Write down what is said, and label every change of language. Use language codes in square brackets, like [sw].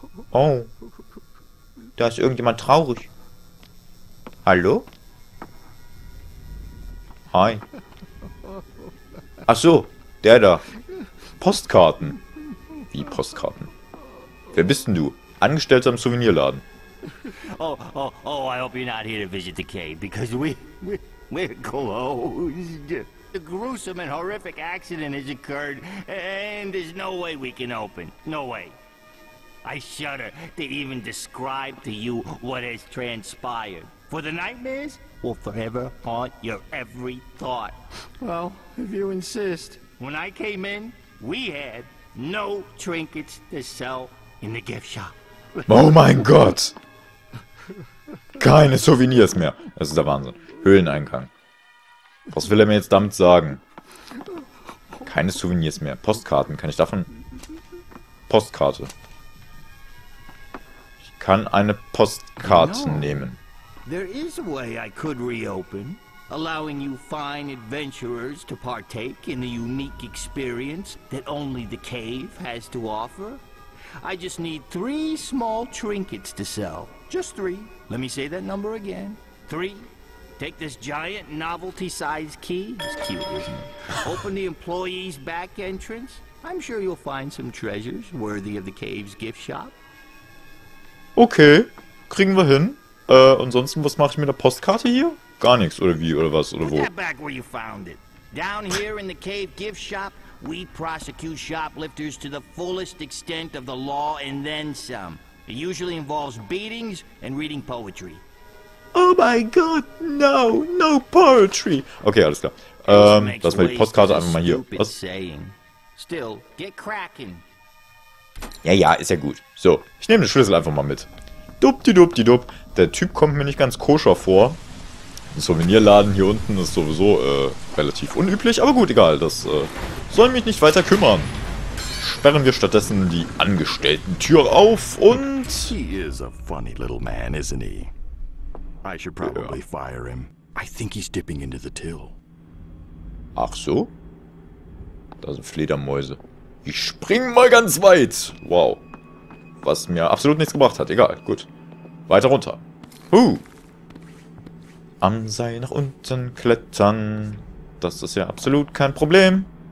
[de] Oh. Da ist irgendjemand traurig. Hallo? Hi. Ach so, der da. Postkarten. Wie Postkarten? Wer bist denn du? Angestellter im Souvenirladen. [en] Oh, I hope you're not here to visit the cave, because we're closed. A gruesome and horrific accident has occurred, and there's no way we can open. No way. I shudder to even describe to you what has transpired. For the nightmares will forever haunt your every thought. Well, if you insist. When I came in, we had no trinkets to sell in the gift shop. [de] Oh mein Gott! Keine Souvenirs mehr. Das ist der Wahnsinn. Höhleneingang. Was will er mir jetzt damit sagen? Keine Souvenirs mehr. Postkarten. Kann ich davon... Postkarte. Kann eine Postkarte nehmen. [en] There is a way I could reopen, allowing you fine adventurers to partake in the unique experience that only the cave has to offer. I just need 3 small trinkets to sell. Just 3. Let me say that number again. 3. Take this giant novelty-sized key. It's cute, isn't it? Open the employee's back entrance. I'm sure you'll find some treasures worthy of the cave's gift shop. [de] Okay, kriegen wir hin. Ansonsten, was mache ich mit der Postkarte hier? Gar nichts, oder wie, oder was, oder wo? [en] Put that back where you found it. Down here in the cave gift shop, we prosecute shoplifters to the fullest extent of the law and then some. It usually involves beatings and reading poetry. Oh my god, no, no poetry. Okay, [de] alles klar. Lass mal die Postkarte einfach mal hier. [en] Was? Saying. Still, get cracking. [de] Ja, ja, ist ja gut. So, ich nehme den Schlüssel einfach mal mit. Dup-di-dup-di-dup. Der Typ kommt mir nicht ganz koscher vor. Ein Souvenirladen hier unten ist sowieso relativ unüblich. Aber gut, egal. Das soll mich nicht weiter kümmern. Sperren wir stattdessen die Angestellten-Tür auf und... [en] He is a funny little man, isn't he? I should probably fire him. I think he's dipping into the till. [de] Ach so? Da sind Fledermäuse. Ich spring mal ganz weit. Wow. Was mir absolut nichts gebracht hat. Egal, gut. Weiter runter. Am Seil nach unten klettern. Das ist ja absolut kein Problem.